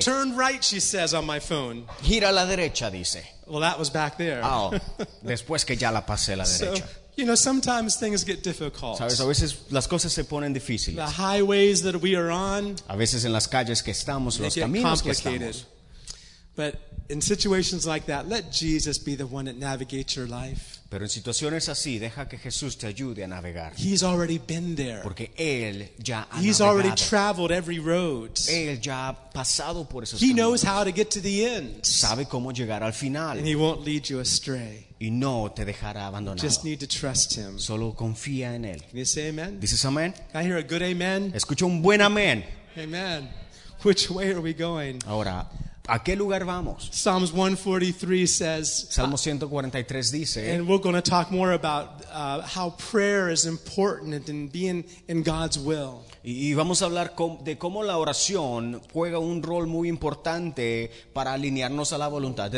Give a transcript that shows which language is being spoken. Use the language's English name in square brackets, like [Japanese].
[English] Turn right, she says on my phone. [Spanish] Gira a la derecha, dice. [English] Well, that was back there. [Spanish] Oh, después que ya la pasé a la derecha. [English] You know, sometimes things get difficult. [Spanish] Sabes, a veces las cosas se ponen difíciles. [English] The highways that we are on. [Spanish] A veces en las calles que estamos, los caminos que estamos. [English] But in situations like that, let Jesus be the one that navigates your life. [Spanish] Pero en situaciones así, deja que Jesús te ayude a navegar. [English] He's already been there. [Spanish] Porque Él ya ha navegado. [English] He's already traveled every road. [Spanish] Él ya ha pasado por esos caminos. [English] He knows how to get to the end. [Spanish] Sabe cómo llegar al final. [English] And he won't lead you astray. [Spanish] Y no te dejará abandonado. [English] Just need to trust him. [Spanish] Solo confía en Él. [English] Can you say amen? [Spanish] Dices amén. [English] Can I hear a good amen? [Spanish] Escucho un buen amén. [English] Amen. Which way are we going? [Spanish] Ahora, ¿a qué lugar vamos? [English] Psalms 143 says. [Spanish] Salmo 143 dice. [English] And we're going to talk more about how prayer is important in being in God's will. [Spanish] Y vamos a hablar de cómo la oración juega un rol muy importante para alinearnos a la voluntad de